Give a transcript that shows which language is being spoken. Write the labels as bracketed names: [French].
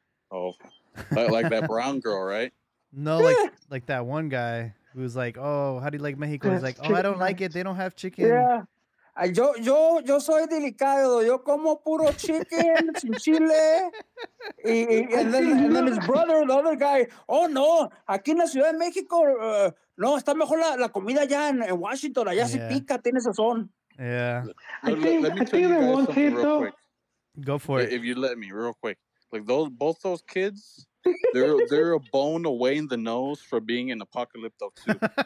[English] Oh, like that brown girl, right? No, like that one guy who's like, oh, how do you like Mexico? He's like, oh, I don't like it. They don't have chicken. [Spanish] Yeah, yo soy delicado. Yo como puro [English] chicken, some chile. And then his brother, the other guy. [Spanish] Oh no, aquí en la Ciudad de México. No, está mejor la comida allá en Washington. Allá sí pica, tiene sazón. [English] Yeah. I think they want to, though. Go for it. If you let me, real quick. Like, both those kids, they're a bone away in the nose for being an apocalypto, too.